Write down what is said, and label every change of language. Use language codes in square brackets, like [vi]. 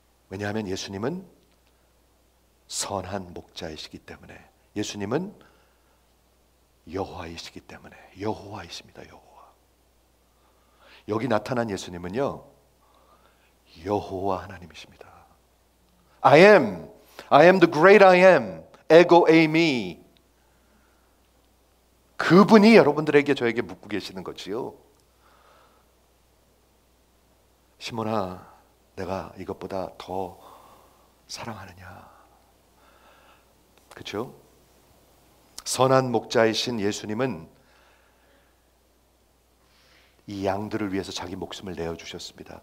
[ko] 왜냐하면 예수님은 선한 목자이시기 때문에, 예수님은 여호와이시기 때문에, 여호와이십니다. 여호와. 여기 나타난 예수님은요 여호와 하나님이십니다. [en] I am the great I am, ego a me. [ko] 그분이 여러분들에게 저에게 묻고 계시는 거지요. 시몬아, 내가 이것보다 더 사랑하느냐? 그렇죠? 선한 목자이신 예수님은 이 양들을 위해서 자기 목숨을 내어주셨습니다.